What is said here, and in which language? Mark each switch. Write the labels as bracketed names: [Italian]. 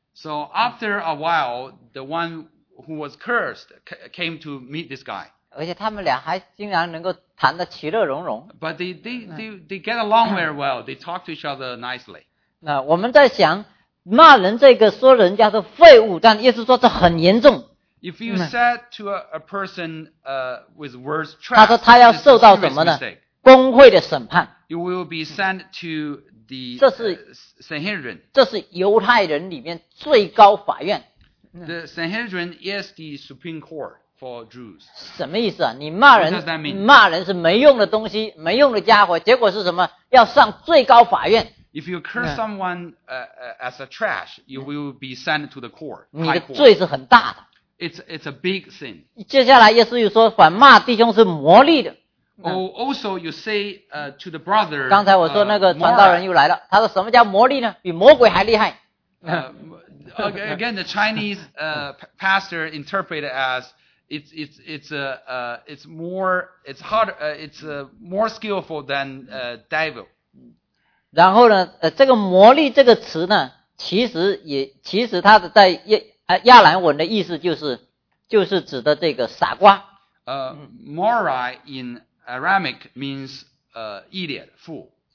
[English] So after a while, the one who was cursed came to meet this guy. [Chinese] 而且他们俩还经常能够谈得其乐融融。 [English] But they get along very well. They talk to each other nicely. [Chinese] 那我们在想骂人这个说人家是废物，但意思说这很严重。 [English] If you said to a person with words trash, [Chinese] 他说他要受到什么呢？公会的审判。 [English] You will be sent to the Sanhedrin. [Chinese] 这是犹太人里面最高法院。 [English] The Sanhedrin is the supreme court for Jews. [Chinese] 什么意思啊？你骂人， [English] What does that mean? [Chinese] 骂人是没用的东西，没用的家伙。结果是什么？要上最高法院。 [English] If you curse someone as a trash, you will be sent to the court. [Chinese] 你的罪是很大的。 [English] It's a big sin. [Chinese] 接下来耶稣又说反骂弟兄是魔力的。 [English] Also you say to the brother, [Chinese] 刚才我说那个传道人又来了，他说什么叫魔力呢？比魔鬼还厉害。 [English] Again, the Chinese pastor interpreted as it's more skillful than devil. [Chinese] 然后呢，这个魔力这个词呢，其实它的在亚兰文的意思就是指的这个傻瓜。 [English] Morai in Aramaic means idiot, fool.